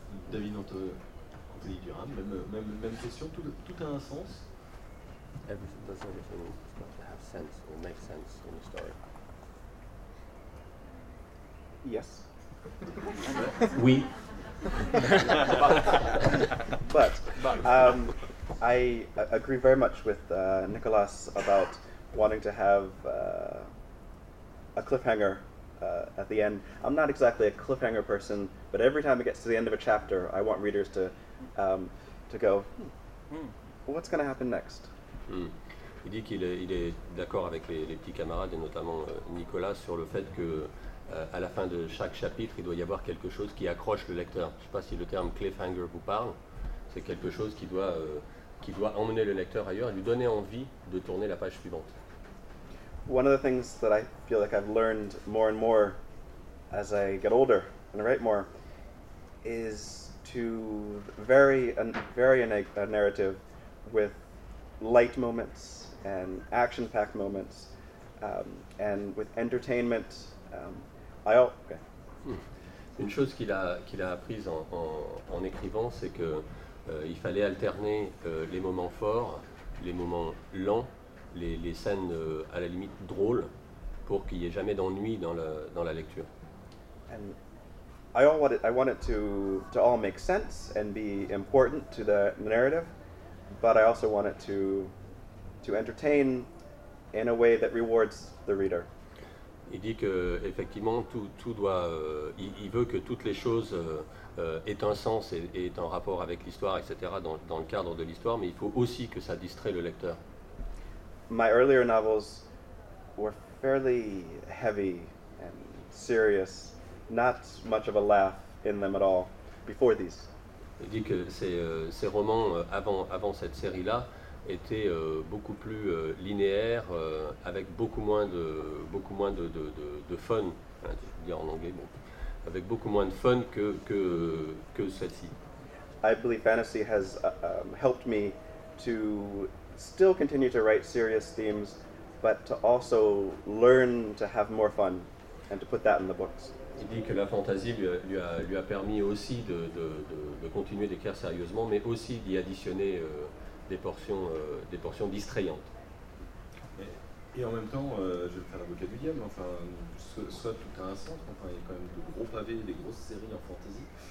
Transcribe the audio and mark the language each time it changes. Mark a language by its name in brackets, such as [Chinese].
[French] David, on te dit du rame, même question, tout a un sens. [English] Everything does everything to have sense or make sense in the story. Yes. [French] Oui. [English] But I agree very much with Nicolas about wanting to have a cliffhanger at the end. I'm not exactly a cliffhanger person, but every time it gets to the end of a chapter, I want readers to go, what's going to happen next? Mm. [French] Il dit qu'il est d'accord avec les petits camarades, et notamment Nicolas, sur le fait que à la fin de chaque chapitre, il doit y avoir quelque chose qui accroche le lecteur. Je ne sais pas si le terme cliffhanger vous parle. C'est quelque chose qui doit emmener le lecteur ailleurs et lui donner envie de tourner la page suivante. [English] One of the things that I feel like I've learned more and more as I get older and I write more is to vary a narrative with light moments and action-packed moments and with entertainment. Okay. [French] Une chose qu'il a apprise en écrivant, c'est que il fallait alterner les moments forts, les moments lents, les scènes à la limite drôles, pour qu'il n'y ait jamais d'ennui dans la lecture. [English] And I want it to all make sense and be important to the narrative, but I also want it to entertain in a way that rewards the reader. [French] Il dit que effectivement tout doit. Il veut que toutes les choses aient un sens et aient un rapport avec l'histoire, etc. Dans le cadre de l'histoire, mais il faut aussi que ça distrait le lecteur. [English] My earlier novels were fairly heavy and serious, not much of a laugh in them at all before these. [French] Il dit que ces romans avant cette série-là étaient beaucoup plus linéaires, avec beaucoup moins de fun, hein, je veux dire en anglais, bon, avec beaucoup moins de fun que celle-ci. [English] I believe fantasy has helped me to still continue to write serious themes, but to also learn to have more fun and to put that in the books. [French] Il dit que la fantasy lui a permis aussi de continuer d'écrire sérieusement, mais aussi d'y additionner des portions distrayantes. Et en même temps, je vais faire l'avocat du diable, enfin, soit tout a un sens, enfin, il y a quand même de gros pavés, des grosses séries en fantasy.